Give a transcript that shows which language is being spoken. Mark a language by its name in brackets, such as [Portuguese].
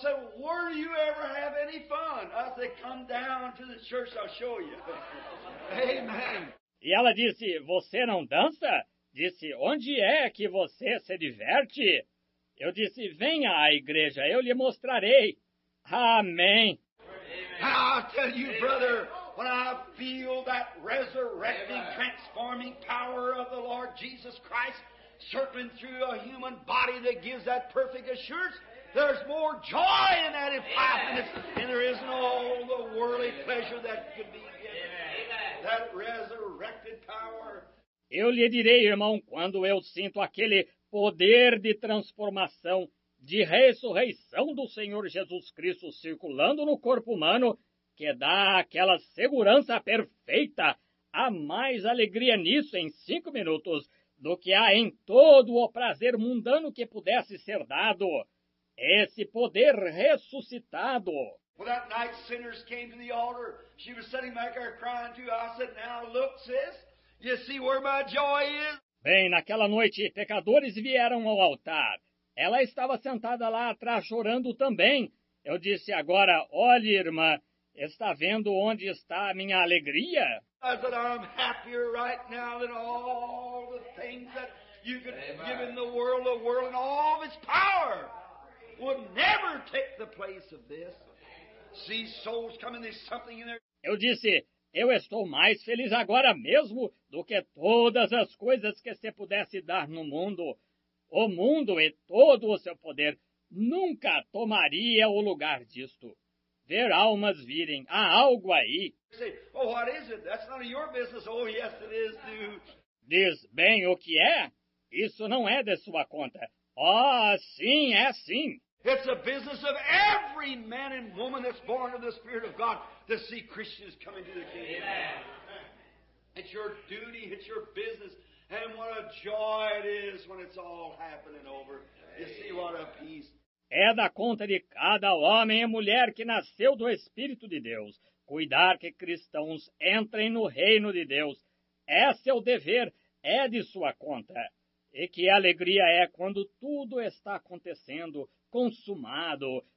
[English] So, where do you ever have any fun? I said, come down to the church, I'll show you. Amen. [Portuguese] E ela disse, você não dança? Disse, onde é que você se diverte? Eu disse, venha à igreja, eu lhe mostrarei. Amém. [English] I tell you, brother, when I feel that resurrecting, transforming power of the Lord Jesus Christ circling through a human body that gives that perfect assurance, there's more joy in that happiness than there is in all the worldly pleasure that could be. That resurrected power. [Portuguese] Eu lhe direi, irmão, quando eu sinto aquele poder de transformação, de ressurreição do Senhor Jesus Cristo circulando no corpo humano, que dá aquela segurança perfeita, há mais alegria nisso em 5 minutos do que há em todo o prazer mundano que pudesse ser dado. Esse poder ressuscitado. [English] Well, that night sinners came to the altar. She was sitting back there crying too. I said, now look, sis, you see where my joy is? [Portuguese] Bem, naquela noite, pecadores vieram ao altar. Ela estava sentada lá atrás chorando também. Eu disse, agora, olhe, irmã, está vendo onde está a minha alegria? [English] I said, I'm happier right now than all the things that You could give him the world, the world, and all of its power would never take the place of this. See souls coming, there's something in there. [Portuguese] Eu disse, eu estou mais feliz agora mesmo do que todas as coisas que se pudesse dar no mundo. O mundo e todo o seu poder nunca tomaria o lugar disto. Ver almas virem, há algo aí. [English] Oh, what is it? That's none of your business. Oh, yes, it is, dude. [Portuguese] Diz, bem, o que é? Isso não é de sua conta. Oh, sim, é sim. [English] It's the business of every man and woman that's born of the Spirit of God to see Christians coming to the kingdom. Amen. It's your duty, it's your business. And what a joy it is when it's all happening over. You see what a peace. [Portuguese] É da conta de cada homem e mulher que nasceu do Espírito de Deus. Cuidar que cristãos entrem no reino de Deus. É seu dever, é de sua conta. E que alegria é quando tudo está acontecendo, consumado.